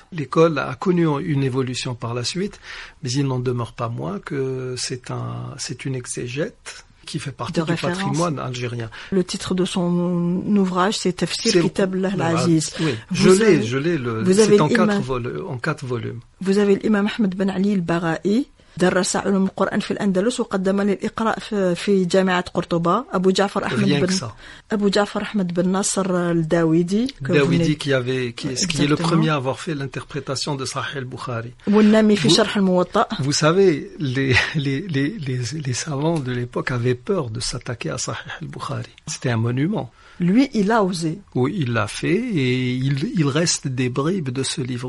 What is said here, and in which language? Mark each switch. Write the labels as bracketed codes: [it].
[fr] L'école a connu une évolution par la suite, mais il n'en demeure pas moins que c'est une exégète qui fait partie du patrimoine algérien. Le titre de son ouvrage, c'est Tafsir Kitab al-Aziz. Oui, je l'ai. C'est en quatre volumes. Vous avez l'imam Ahmed ben Ali al-Bara'i. [ar] درس علوم القرآن في الأندلس وقدم للإقراء في جامعة قرطبة أبو جعفر أحمد بن ناصر الداويدي. [fr] داويدي qui est le premier à avoir fait l'interprétation de Sahih al-Bukhari. [ar] والنامي في شرح الموطأ. [fr] Vous savez, les savants de l'époque avaient peur de s'attaquer à Sahih al-Bukhari. C'était un monument. Lui, il a osé. Oui, il l'a fait et il reste des bribes de ce livre.